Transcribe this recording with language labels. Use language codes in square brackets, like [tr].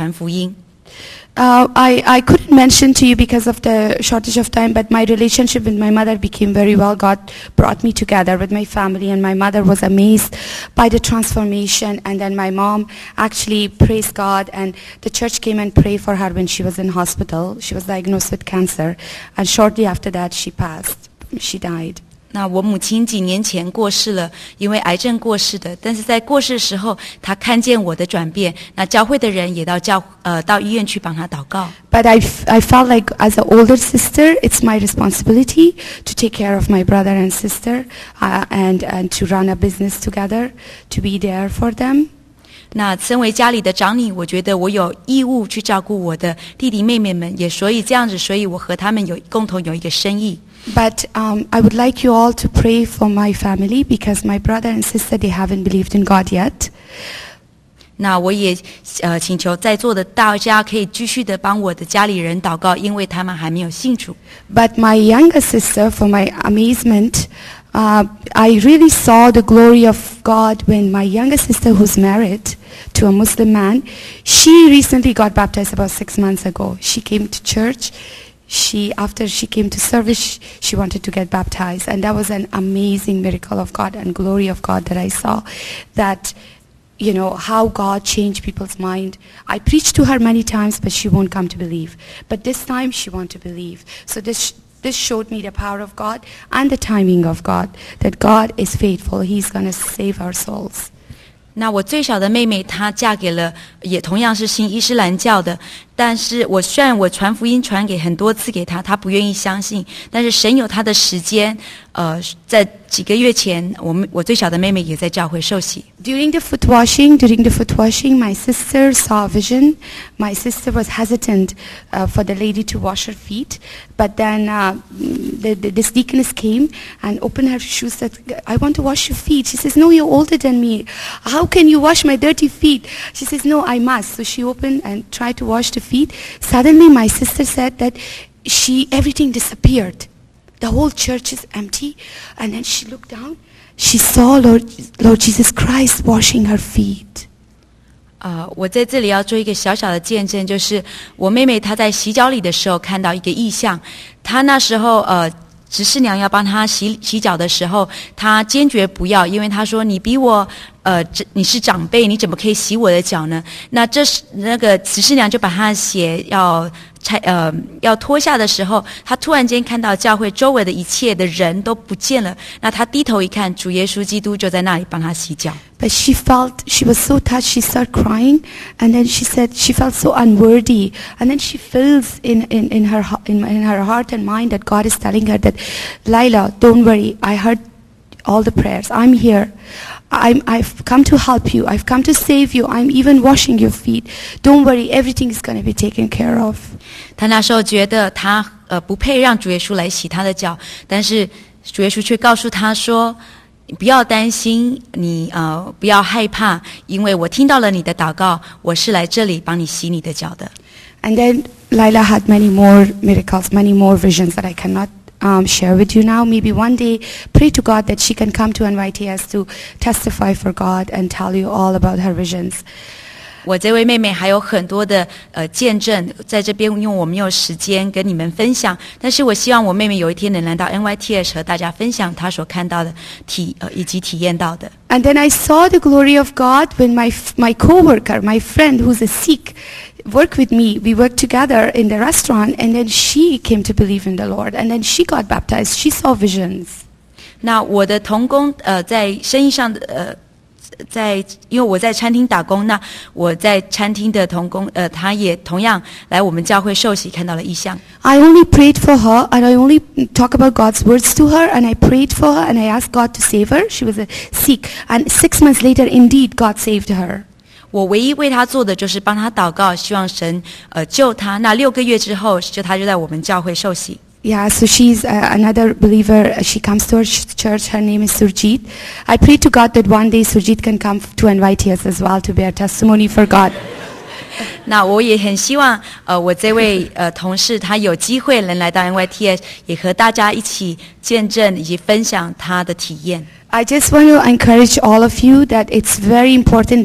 [zh] 2,000年后的今天，主耶稣仍然在这个世界上医治人、拯救人，从撒旦的管辖下，把人救到他的光下面来。那我当然，我们也应该做到我们应尽的本分，那就是传福音。 [en] I couldn't mention to you because of the shortage of time, but my relationship with my mother became very well. God brought me together with my family, and my mother was amazed by the transformation. And then my mom actually praised God, and the church came and prayed for her when she was in hospital. She was diagnosed with cancer, and shortly after that, she passed. She died. [zh] 那我母亲几年前过世了，因为癌症过世的。但是在过世的时候，她看见我的转变。那教会的人也到教到医院去帮她祷告。 [en] But I felt like as an older sister, it's my responsibility to take care of my brother and sister, and to run a business together, to be there for them. [zh] 那身为家里的长女，我觉得我有义务去照顾我的弟弟妹妹们。也所以这样子，所以我和他们有共同有一个生意。 [en] But I would like you all to pray for my family because my brother and sister they haven't believed in God yet. [zh] 那我也请求在座的大家可以继续的帮我的家里人祷告，因为他们还没有信主。 [en] But my younger sister, for my amazement, I really saw the glory of God when my younger sister, who's married to a Muslim man, she recently got baptized about 6 months ago. She came to church. After she came to service, she wanted to get baptized. And that was an amazing miracle of God and glory of God that I saw. That, you know, how God changed people's mind. I preached to her many times, but she won't come to believe. But this time, she wants to believe. So this showed me the power of God and the timing of God. That God is faithful. He's going to save our souls. [zh] 那我最小的妹妹她嫁给了也同样是信伊斯兰教的，但是我虽然我传福音传给很多次给她，她不愿意相信，但是神有她的时间。在几个月前，我最小的妹妹也在教会受洗。 [en] During the foot washing, my sister saw a vision. My sister was hesitant for the lady to wash her feet, but then this deaconess came and opened her shoes. Said, "I want to wash your feet." She says, "No, you're older than me. How can you wash my dirty feet?" She says, "No, I must." So she opened and tried to wash the feet. Suddenly, my sister said that everything disappeared. The whole church is empty. And then she looked down. She saw Lord Jesus Christ washing her feet. [zh] 我在这里要做一个小小的见证，就是我妹妹她在洗脚里的时候看到一个异象。她那时候执事娘要帮她洗脚的时候，她坚决不要，因为她说你比我你是长辈，你怎么可以洗我的脚呢？那这是那个执事娘就把她鞋要脱下的时候，她突然间看到教会周围的一切的人都不见了。那她低头一看，主耶稣基督就在那里帮她洗脚。 [en] But she felt she was so touched. She started crying, and then she said she felt so unworthy. And then she feels in her heart and mind that God is telling her that, Lila, don't worry. I heard all the prayers. I'm here. I've come to help you. I've come to save you. I'm even washing your feet. Don't worry, everything is going to be taken care of. [zh] 她那时候觉得她不配让主耶稣来洗她的脚，但是主耶稣却告诉她说，不要担心，你不要害怕，因为我听到了你的祷告，我是来这里帮你洗你的脚的。 [en] And then Lila had many more miracles, many more visions that I cannot. Share with you now. Maybe one day, pray to God that she can come to NYTS to testify for God and tell you all about her visions. [zh] 我这位妹妹还有很多的见证在这边，因为我没有时间跟你们分享。但是我希望我妹妹有一天能来到 NYTS 和大家分享她所看到的以及体验到的。 [en] And then I saw the glory of God when my coworker, my friend who's a Sikh. Work with me. We worked together in the restaurant, and then she came to believe in the Lord, and then she got baptized. She saw visions. [zh] 那我的同工在生意上在因为我在餐厅打工，那我在餐厅的同工他也同样来我们教会受洗，看到了异象。 [en] I only prayed for her, and I only talk about God's words to her, and I prayed for her, and I asked God to save her. She was a Sikh, and 6 months later, indeed, God saved her. [zh] 我唯一为他做的就是帮他祷告，希望神救他。那六个月之后，他就在我们教会受洗。 [en] Yeah, so she's another believer. She comes to our church. Her name is Surjit. I pray to God that one day Surjit can come to NYTS as well to bear testimony for God. [zh] 那我也很希望我这位同事他有机会能来到 NYTS， 也和大家一起见证以及分享他的体验。 [en] I just want to encourage all of you that it's very important.